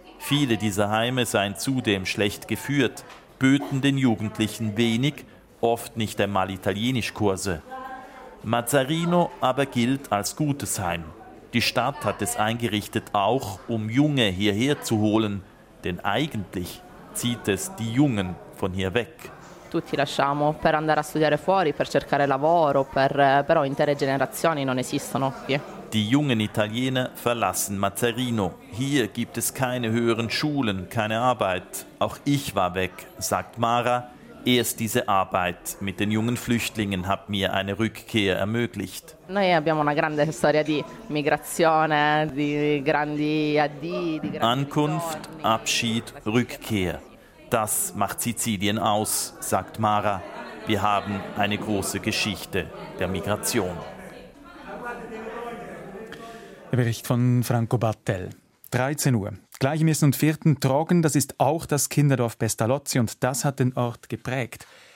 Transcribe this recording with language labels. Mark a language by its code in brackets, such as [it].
[de] Viele dieser Heime seien zudem schlecht geführt, böten den Jugendlichen wenig, oft nicht einmal Italienischkurse. Mazzarino aber gilt als gutes Heim. Die Stadt hat es eingerichtet, auch um Junge hierher zu holen. Denn eigentlich zieht es die Jungen von hier weg. [it] Tutti lasciamo per andare a studiare fuori, per cercare lavoro, però intere generazioni non esistono qui. [de] Die jungen Italiener verlassen Mazzarino. Hier gibt es keine höheren Schulen, keine Arbeit. Auch ich war weg, sagt Mara. erst diese Arbeit mit den jungen Flüchtlingen hat mir eine Rückkehr ermöglicht. [it] Noi abbiamo una grande storia di migrazione, di grandi addi, di grandi ritorni. [de] Ankunft, Abschied, Rückkehr. Das macht Sizilien aus, sagt Mara. Wir haben eine große Geschichte der Migration. Der Bericht von Franco Battel. 13 Uhr. Gleich im ersten und vierten Trogen, das ist auch das Kinderdorf Pestalozzi und das hat den Ort geprägt.